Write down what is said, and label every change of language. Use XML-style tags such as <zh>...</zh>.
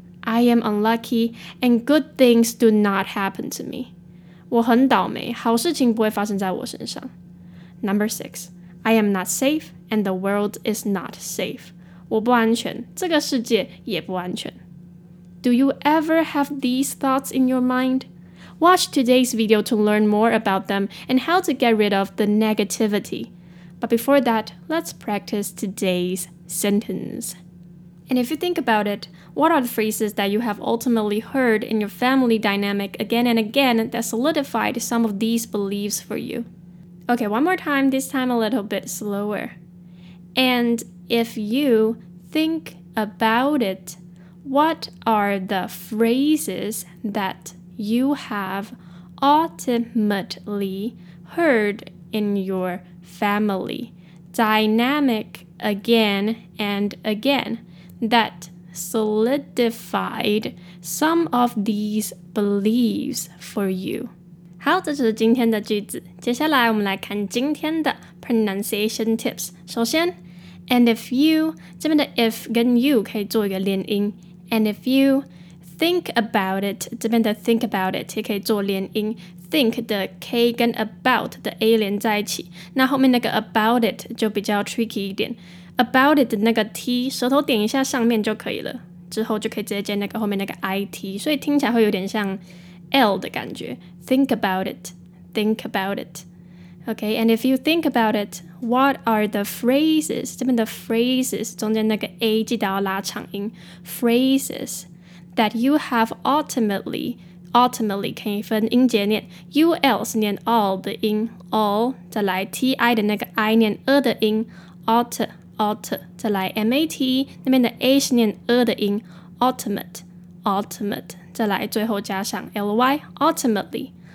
<en>I am unlucky, and good things do not happen to me.</en> <zh>我很倒霉,好事情不会发生在我身上.</zh> <en>Number 6. I am not safe, and the world is not safe.</en> <zh>我不安全,这个世界也不安全.</zh> <en>Do you ever have these thoughts in your mind? Watch today's video to learn more about them and how to get rid of the negativity. But before that, let's practice today's sentence. And if you think about it, what are the phrases that you have ultimately heard in your family dynamic again and again that solidified some of these beliefs for you? Okay, one more time, this time a little bit slower. And if you think about it, what are the phrases that you have ultimately heard in your family dynamic again and again that solidified some of these beliefs for you?</en> <zh>好，这是今天的句子。接下来我们来看今天的 pronunciation tips。首先 ，and if you 这边的 if 跟 you 可以做一个连音 ，</zh> <en>and if you think about it</en> <zh>这边的 think about it 也可以做连音。 Think 的 K 跟 about 的 A 连在一起，那后面那个 about it 就比较 tricky 一点。 About it 的那个 T 舌头点一下上面就可以了，之后就可以直接接那个后面那个 IT， 所以听起来会有点像 L 的感觉。</zh> <en>Think about it, think about it. Okay, and if you think about it, what are the phrases?</en> <zh>这边的 phrases 中间那个 A 记得要拉长音</zh> <en>phrases that you have ultimately.</en> <zh>Ultimately, 可以分音节念 UL 是念 all 的音 all 再来 TI 的那个 I 念 a 的音 ult 再来 MAT 那边的 A 是念 a 的音 ultimate 再来最后加上 LY ultimately</zh>